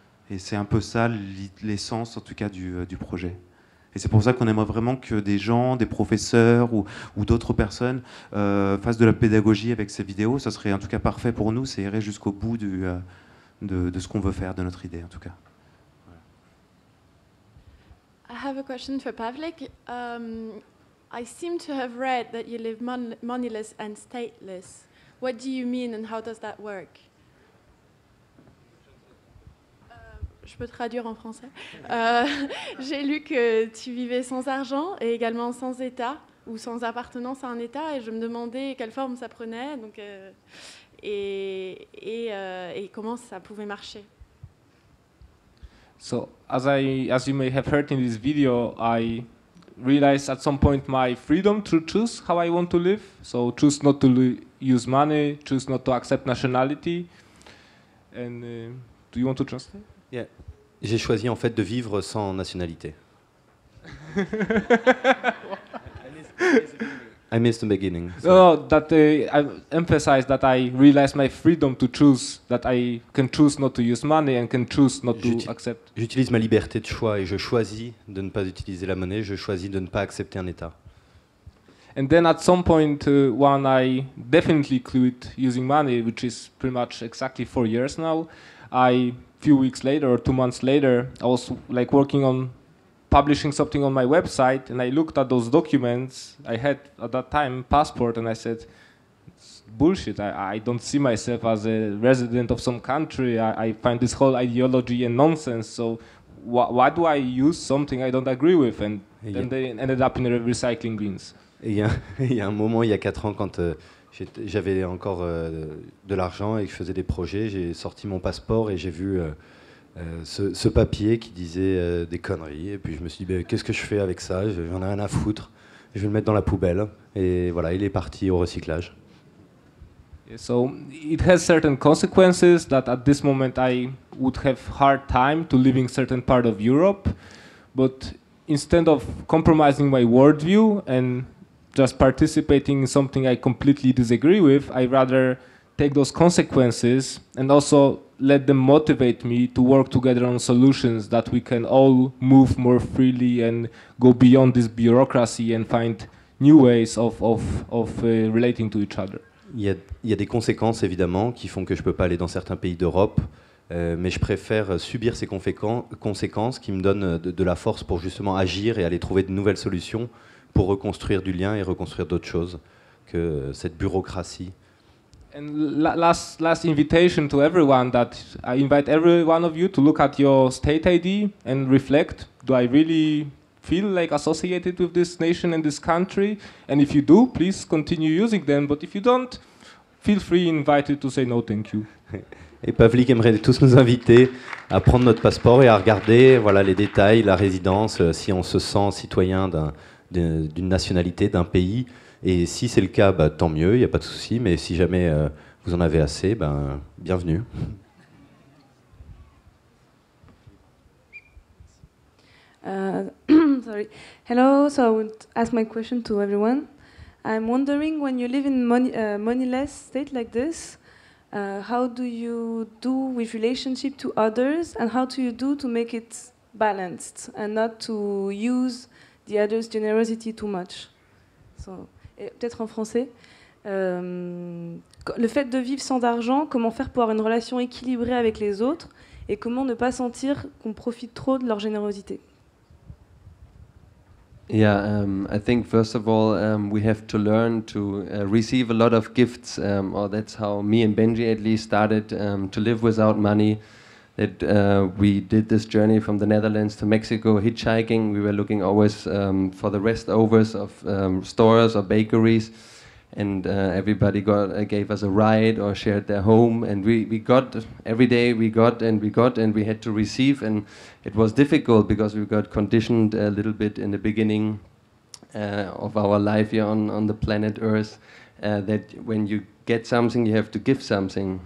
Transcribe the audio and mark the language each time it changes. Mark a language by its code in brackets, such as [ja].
[fr] Et c'est un peu ça l'essence, en tout cas, du projet. Et c'est pour ça qu'on aimerait vraiment que des gens, des professeurs ou d'autres personnes fassent de la pédagogie avec ces vidéos. Ça serait en tout cas parfait pour nous. Ça irait jusqu'au bout de ce qu'on veut faire, de notre idée, en tout cas. [en] I have a question for Pavlik. I seem to have read that you live moneyless and stateless. What do you mean and how does that work? [fr] Je peux traduire en français. J'ai lu que tu vivais sans argent et également sans état ou sans appartenance à un état et je me demandais quelle forme ça prenait donc, et comment ça pouvait marcher. [en] So as you may have heard in this video, I realized at some point my freedom to choose how I want to live. So choose not to use money, choose not to accept nationality. And do you want to translate? Yeah. [fr] J'ai choisi en fait de vivre sans nationalité. [en] I missed the beginning. So. No, that I emphasize that I realize my freedom to choose, that I can choose not to use money and can choose not to accept. [fr] J'utilise ma liberté de choix et je choisis de ne pas utiliser la monnaie. Je choisis de ne pas accepter un état. [en] And then at some point when I definitely quit using money, which is pretty much exactly 4 years now, I few weeks later or 2 months later, I was like working on publishing something on my website and I looked at those documents I had at that time, passport, and I said, it's bullshit. I don't see myself as a resident of some country. I find this whole ideology a nonsense. So why do I use something I don't agree with? And then they ended up in the recycling bins. [fr] Il y a un moment, il y a 4 ans, quand j'avais encore de l'argent et que je faisais des projets, j'ai sorti mon passeport et j'ai vu ce papier qui disait des conneries. Et puis je me suis dit, qu'est-ce que je fais avec ça? J'en ai rien à foutre. Je vais le mettre dans la poubelle. Et voilà, il est parti au recyclage. [en] So it has certain consequences that at this moment I would have hard time to live in certain part of Europe. But instead of compromising my worldview and just participating in something I completely disagree with, I rather take those consequences and also let them motivate me to work together on solutions that we can all move more freely and go beyond this bureaucracy and find new ways of relating to each other. [fr] Il y a des conséquences évidemment qui font que je peux pas aller dans certains pays d'Europe, mais je préfère subir ces conséquences qui me donnent de la force pour justement agir et aller trouver de nouvelles solutions pour reconstruire du lien et reconstruire d'autres choses que cette bureaucratie. [en] And last invitation to everyone, that I invite every one of you to look at your state ID and reflect. Do I really feel like associated with this nation and this country? And if you do, please continue using them. But if you don't, feel free, invited to say no, thank you. [fr] Et Pavlik aimerait tous nous inviter à prendre notre passeport et à regarder, voilà, les détails, la résidence, si on se sent citoyen d'une nationalité, d'un pays. Et si c'est le cas, bah, tant mieux, il n'y a pas de souci. Mais si jamais vous en avez assez, bah, bienvenue. [en] Sorry. Hello, so I would ask my question to everyone. I'm wondering, when you live in moneyless state like this, how do you do with relationship to others, and how do you do to make it balanced and not to use the other's generosity too much? [fr] So, et peut-être en français, le fait de vivre sans argent, comment faire pour avoir une relation équilibrée avec les autres, et comment ne pas sentir qu'on profite trop de leur générosité? [en] Yeah, I think first of all we have to learn to receive a lot of gifts, or that's how me and Benji at least started to live without money. That we did this journey from the Netherlands to Mexico hitchhiking. We were looking always for the rest overs of stores or bakeries, and everybody gave us a ride or shared their home, and we got every day, we got and we had to receive, and it was difficult because we got conditioned a little bit in the beginning of our life here on the planet Earth, that when you get something, you have to give something.